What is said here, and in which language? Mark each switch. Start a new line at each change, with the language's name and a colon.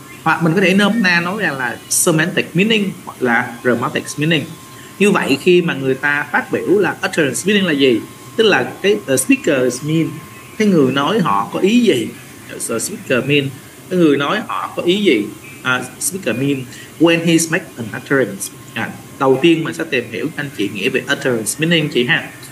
Vietnamese: Hoặc mình có thể nôm na nói rằng là semantic meaning hoặc là grammatic meaning. Như vậy khi mà người ta phát biểu là utterance meaning là gì? Tức là cái
English: the speaker's mean,
Vietnamese: cái người nói họ có ý gì?
English: The speaker mean,
Vietnamese: cái người nói họ có ý gì?
English: Speaker mean when he's make an utterance.
Vietnamese: Đầu tiên mình sẽ tìm hiểu anh chị nghĩa về utterance meaning chị ha.